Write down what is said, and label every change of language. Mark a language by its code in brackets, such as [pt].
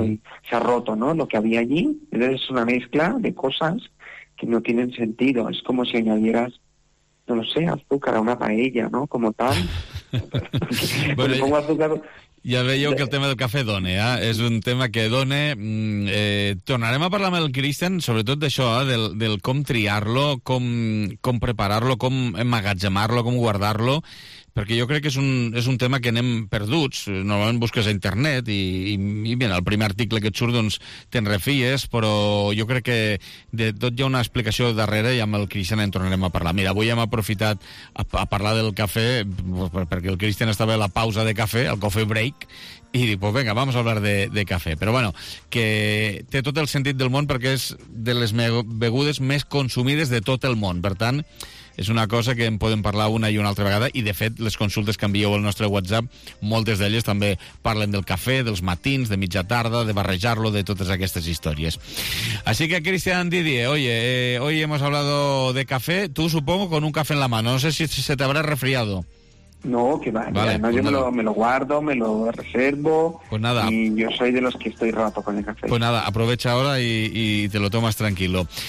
[es] Uh-huh. Y se ha roto, ¿no? Lo que había allí. Entonces es una mezcla de cosas que no tienen sentido. Es como si añadieras, no lo sé, azúcar a una paella, ¿no? Como tal. Bueno, pongo azúcar. Ya veo que el tema del café done, ¿eh? Es un tema que done. [ca] Tornarem a parlar amb el Christian, sobretot d'això, ¿eh? del com triar-lo, com preparar-lo, com emmagatzemar-lo, com guardar-lo, perquè jo crec que és un tema que anem perduts. Normalment busques a internet i mira, el primer article que et surt, doncs, te'n refies, però jo crec que de tot hi ha una explicació darrere i amb el Christian en tornarem a parlar. Mira, avui hem aprofitat a parlar del cafè perquè el Christian estava a la pausa de cafè, el coffee break, [es] y digo, pues venga, vamos a hablar de café. Pero bueno, [ca] que té tot el sentit del món perquè és de les bebudes més consumides de tot el món. Per tant, és una cosa que en podem parlar una i una altra vegada, i de fet les consultes que envieu al nostre WhatsApp, moltes d'elles també parlen del cafè, dels matins, de mitja tarda, de barrejar-lo, de totes aquestes històries. Així que, [es] Cristian Didier, oye, hoy hemos hablado de café, tú supongo con un café en la mano, no sé si se te habrá resfriado. No, que va, vale, además pues yo me lo guardo, me lo reservo. Pues nada. Y yo soy de los que estoy rato con el café. Pues nada, aprovecha ahora y te lo tomas tranquilo.